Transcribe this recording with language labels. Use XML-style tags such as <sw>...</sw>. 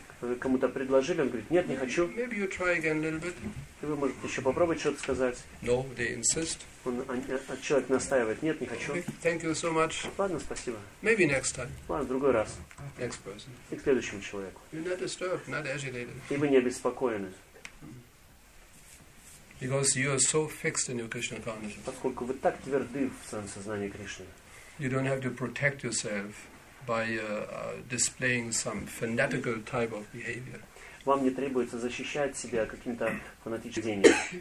<ru>Вы кому-то предложили, он говорит, нет, не хочу.</ru> <en>Maybe you try again a little bit.</en> <ru>И вы можете еще попробовать что-то сказать.</ru> <en>No, they insist.</en> <ru>Человек настаивает, нет, не хочу.</ru> <en>Okay, thank you so much.</en> <ru>Ладно, спасибо.</ru> <en>Maybe next time.</en> <ru>Ладно, в другой раз.</ru> <en>Next person.</en> <ru>И к следующему человеку.</ru> <en>You're not disturbed, not agitated.</en> <ru>И вы не обеспокоены.</ru> <en>Because you are so fixed in your Krishna consciousness.</en> <ru>Поскольку вы так тверды в своем сознании Кришны.</ru> <en>You don't have to protect yourself by displaying some fanatical type of behavior.</en> <ru>вам не требуется защищать себя каким-то фанатическим зрением.</ru>